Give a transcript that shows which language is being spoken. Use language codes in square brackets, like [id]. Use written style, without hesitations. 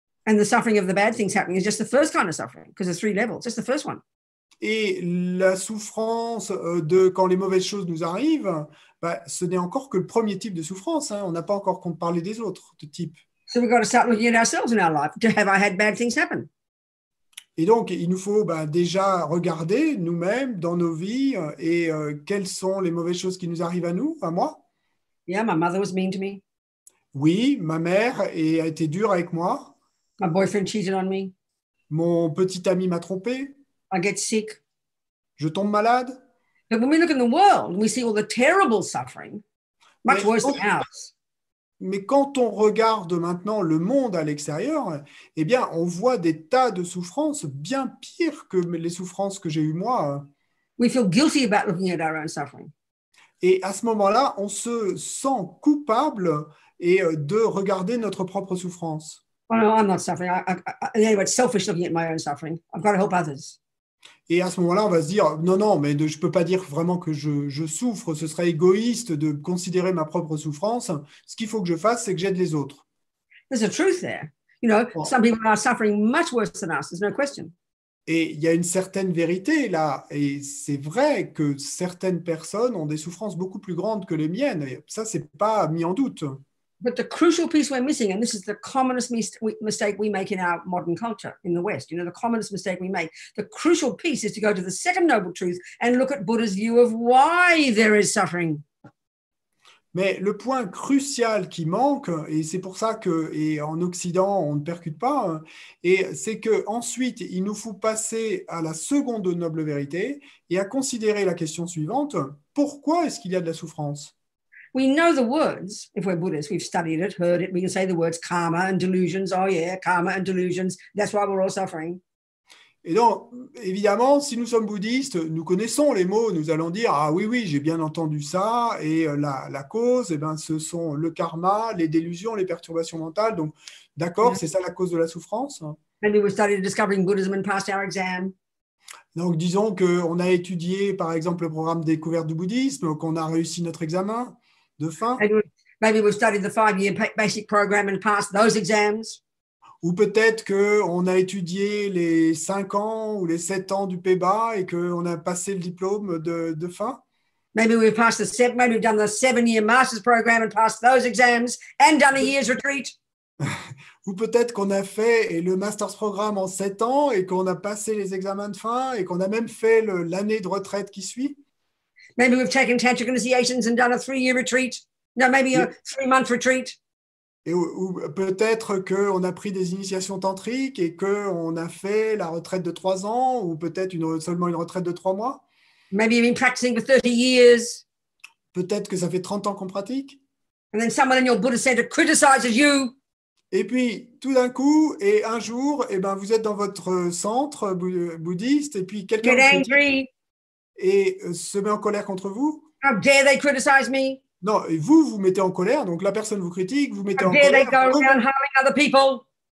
[en] And the suffering of the bad things happening is just the first kind of suffering, because there's three levels, just the first one. [fr] Et la souffrance de quand les mauvaises choses nous arrivent, bah, ce n'est encore que le premier type de souffrance. Hein. On n'a pas encore parlé des autres de types. [en] So we've got to start looking at ourselves in our life. Have I had bad things happen? [fr] Et donc, il nous faut bah, déjà regarder nous-mêmes dans nos vies et quelles sont les mauvaises choses qui nous arrivent à nous, à moi. [en] Yeah, my mother was mean to me. [fr] Oui, ma mère a été dure avec moi. [en] My boyfriend cheated on me. [fr] Mon petit ami m'a trompé. [en] I get sick. [fr] Je tombe malade. [en] But when we look in the world, we see all the terrible suffering, much worse than ours. [fr] Mais quand on regarde maintenant le monde à l'extérieur, eh bien, on voit des tas de souffrances bien pires que les souffrances que j'ai eues moi. [en] We feel guilty about looking at our own suffering. [fr] Et à ce moment-là, on se sent coupable et de regarder notre propre souffrance. [en] Well, no, I'm not suffering. Anyway, it's selfish looking at my own suffering. I've got to help others. [fr] Et à ce moment-là, on va se dire, non, mais je ne peux pas dire vraiment que je souffre. Ce serait égoïste de considérer ma propre souffrance. Ce qu'il faut que je fasse, c'est que j'aide les autres. [en] There's a truth there. You know, some people are suffering much worse than us. There's no question. [fr] Et il y a une certaine vérité là. Et c'est vrai que certaines personnes ont des souffrances beaucoup plus grandes que les miennes. Et ça, ce n'est pas mis en doute. [en] But the crucial piece we're missing, and this is the commonest mistake we make in our modern culture in the West, you know, the commonest mistake we make, the crucial piece is to go to the second noble truth and look at Buddha's view of why there is suffering. [fr] Mais le point crucial qui manque, et c'est pour ça que et en Occident, on ne percute pas, hein, et c'est qu'ensuite, il nous faut passer à la seconde noble vérité et à considérer la question suivante, pourquoi est-ce qu'il y a de la souffrance? [en] We know the words, if we're Buddhists, we've studied it, heard it, we can say the words karma and delusions, oh yeah, karma and delusions, that's why we're all suffering. [fr] Et donc, évidemment, si nous sommes bouddhistes, nous connaissons les mots, nous allons dire, ah oui, j'ai bien entendu ça, et la cause, eh ben, ce sont le karma, les délusions, les perturbations mentales, donc d'accord, yeah. C'est ça la cause de la souffrance. [en] And we were studying discovering Buddhism and passed our exam. [fr] Donc disons qu'on a étudié, par exemple, le programme découverte du bouddhisme, qu'on a réussi notre examen. De fin. [en] Maybe we studied the 5-year basic program and passed those exams. [fr] Ou peut-être que on a étudié les 5 ans ou les 7 ans du PEBA et que on a passé le diplôme de fin. [en] Maybe we passed the seven, maybe we've done the 7-year master's program and passed those exams and done a year's retreat. [fr] Ou peut-être qu'on a fait le master's program en 7 ans et qu'on a passé les examens de fin et qu'on a même fait l'année de retraite qui suit. [en] Maybe we've taken tantric initiations and done a 3-year retreat. No, maybe a 3-month retreat. [fr] Et ou peut-être qu'on a pris des initiations tantriques et qu'on a fait la retraite de 3 ans ou peut-être seulement une retraite de 3 mois. [en] Maybe you've been practicing for 30 years. [fr] Peut-être que ça fait 30 ans qu'on pratique. [en] And then someone in your Buddhist center criticizes you. [fr] Et puis, tout d'un coup, et un jour, et ben, vous êtes dans votre centre bouddhiste et puis quelqu'un... [en] Get angry. [fr] Et se met en colère contre vous. [en] How dare they criticize me? [fr] Non, et vous mettez en colère, donc la personne vous critique, vous mettez [en] How [fr] en [en] dare [fr] colère. [en] They go around harming other people?